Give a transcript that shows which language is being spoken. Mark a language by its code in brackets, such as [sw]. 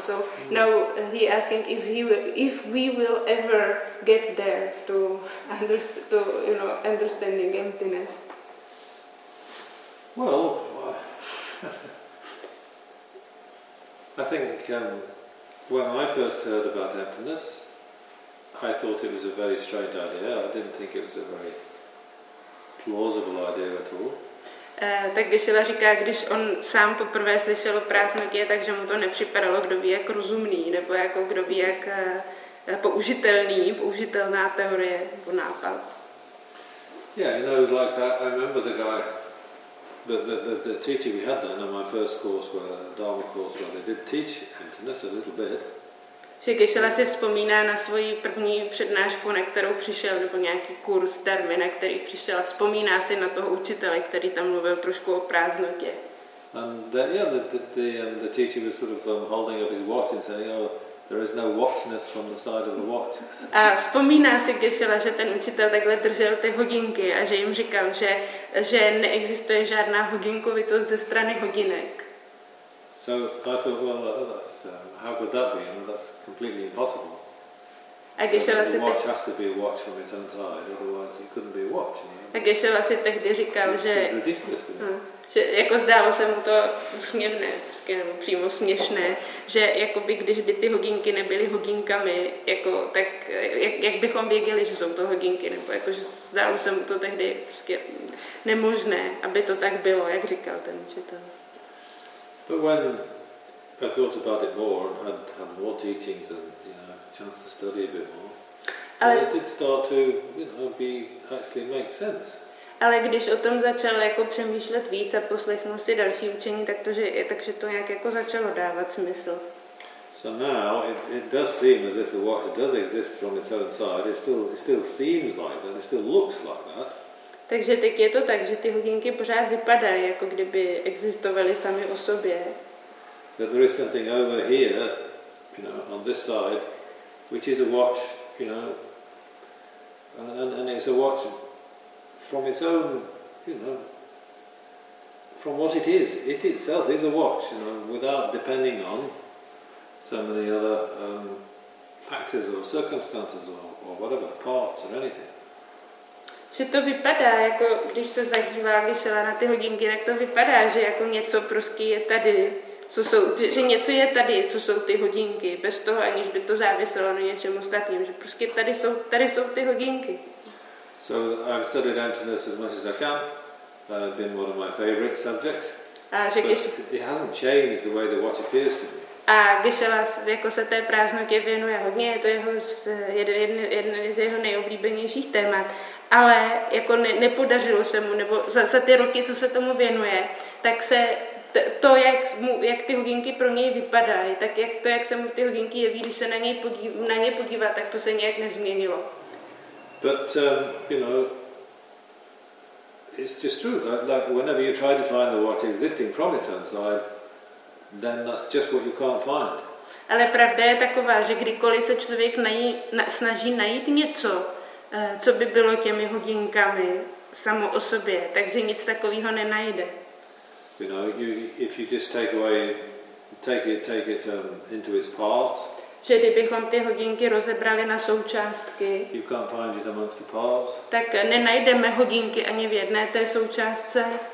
[en] So now he asking if he will, if we will ever get there to understand, to, you know, understanding emptiness. Well, I think when I first heard about emptiness, I thought it was a very strange idea. I didn't think it was a very plausible idea at all. [cs] Tak Vysila říká, když on sám poprvé slyšel o prázdnotě, takže mu to nepřipadalo, kdo ví, jak rozumný, nebo jako kdo ví, jak použitelný, použitelná teorie nebo nápad. [en] Yeah, you know, like I remember the guy, the teacher we had then on my first course, where, Dharma course, where they did teach emptiness a little bit. [cs] Že Kešela si vzpomíná na svoji první přednášku, na kterou přišel, nebo nějaký kurz dharmy, na který přišel, a vzpomíná si na toho učitele, který tam mluvil trošku o prázdnotě. [en] And the teacher was sort of holding up his watch and saying, oh, there is no watchness from the side of the watch. [cs] A vzpomíná si Kešela, že ten učitel takhle držel ty hodinky a že jim říkal, že neexistuje žádná hodinkovitost ze strany hodinek. [en] So I thought, well, that's how could that be? I mean, that's completely impossible. [cs] A Geshe-la si [en] watch has to be a watch from its own side, otherwise it couldn't be a watch. [cs] A Geshe-la si tehdy říkal, že [en] ridiculous, [cs] že jako zdálo se mu to směšné, nebo přímo směšné, že jakoby když by ty hodinky nebyly hodinkami, jako tak jak bychom věděli, že jsou to hodinky, nebo jako že zdálo se mu to tehdy prostě nemožné, aby to tak bylo, jak říkal ten učitel. [en] But when I thought about it more and had more teachings and, you know, chance to study a bit more, it did start to, you know, be actually make sense. [cs] Ale když o tom začal jako přemýšlet víc a poslechnul si další učení, takže to nějak jako začalo dávat smysl. [en] So now it does seem as if the watch does exist from its own side. It still seems like that. It still looks like that. [cs] Takže teď je to tak, že ty hodinky pořád vypadají, jako kdyby existovaly sami o sobě. [en] That there is something over here, you know, on this side, which is a watch, you know, and it's a watch from its own, you know, from what it is. It itself is a watch, you know, without depending on some of the other factors or circumstances or whatever, parts or anything. [cs] Že to vypadá, jako když se zadívá Vysila na ty hodinky, tak to vypadá, že jako něco prostě je tady, že něco je tady, co jsou ty hodinky, bez toho, aniž by to záviselo na něčem ostatním, že prostě tady jsou ty hodinky. [en] So I've studied emptiness as much as I can. Been one of my favorite subjects. It hasn't changed the way the watch appears to me. [cs] A Vysila jako se té prázdnotě věnuje hodně, je to jeden z jeho nejoblíbenějších témat. Ale jako nepodařilo se mu, nebo za ty roky, co se tomu věnuje, tak se to, jak ty hodinky pro něj vypadají, tak jak to, jak se mu ty hodinky jeví, když se na ně podívá, tak to se nějak nezměnilo. [en] But you know, it's just true that like whenever you try to find the watch existing from its own side, then that's just what you can't find. [cs] Ale pravda je taková, že kdykoliv se člověk snaží najít něco, co by bylo těmi hodinkami samo o sobě, takže nic takového nenajde. [en] You know, if you just take it into its parts. [cs] Že kdybychom ty hodinky rozebrali na součástky. [en] You can't find it amongst the parts. [cs] Tak nenajdeme hodinky ani v jedné té součástce.